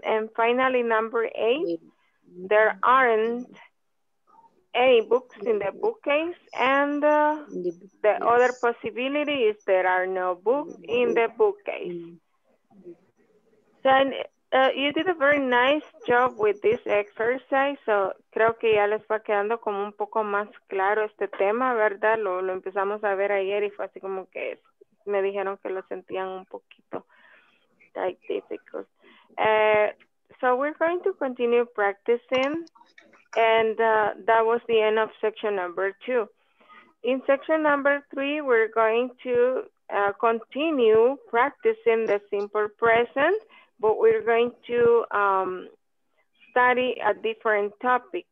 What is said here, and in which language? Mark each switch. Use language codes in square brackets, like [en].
[en] And finally, number eight, there aren't any books in the bookcase. And the other possibility is there are no books in the bookcase. So you did a very nice job with this exercise. [es] So creo que ya les va quedando como un poco más claro este tema, ¿verdad? Lo empezamos a ver ayer y fue así como que me dijeron que lo sentían un poquito [en] like difficult. So we're going to continue practicing. And that was the end of section number two. In section number three, we're going to continue practicing the simple present, but we're going to study a different topic.